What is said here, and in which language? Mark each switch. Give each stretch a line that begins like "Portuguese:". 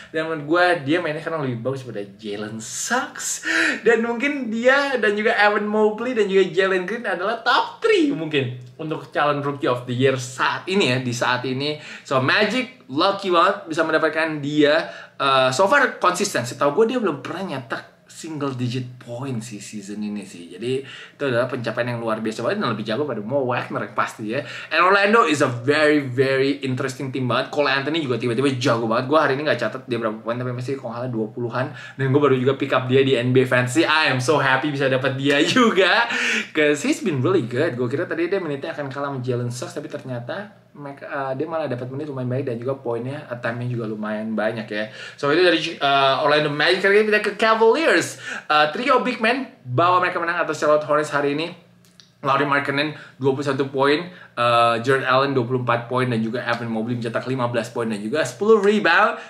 Indonesian: Dan menurut gue dia mainnya karena lebih bagus daripada Jalen Suggs, dan mungkin dia dan juga Evan Mobley dan juga Jalen Green adalah top 3 mungkin untuk calon
English: rookie of the year
Indonesian: saat ini ya, di saat ini. So Magic lucky banget bisa mendapatkan dia. So far konsisten, setahu gue dia belum pernah nyetak
English: single digit point
Indonesian: sih season ini sih. Jadi itu adalah pencapaian yang luar biasa banget, dan lebih jago pada Mo Wagner pasti ya.
English: And Orlando is a very very interesting team banget.
Indonesian: Cole Anthony juga tiba-tiba jago banget. Gue hari ini gak catat dia berapa poin, tapi masih kalau gak salah 20-an. Dan gue baru juga pick up dia di NBA Fantasy.
English: I am so happy
Indonesian: bisa dapat dia juga,
English: cause he's been really good.
Indonesian: Gue kira tadi dia menitnya akan kalah sama Jalen Suggs, tapi ternyata dia malah dapat menit lumayan baik, dan juga poinnya, attempt-nya juga lumayan banyak ya. So itu dari Orlando Magic. Sekarang kita ke Cavaliers. Trio big man bawa mereka menang atas Charlotte Hornets hari ini. Lauri Markkanen 21 poin, Jared Allen 24 poin, dan juga Evan Mobley mencetak 15 poin dan juga 10 rebound.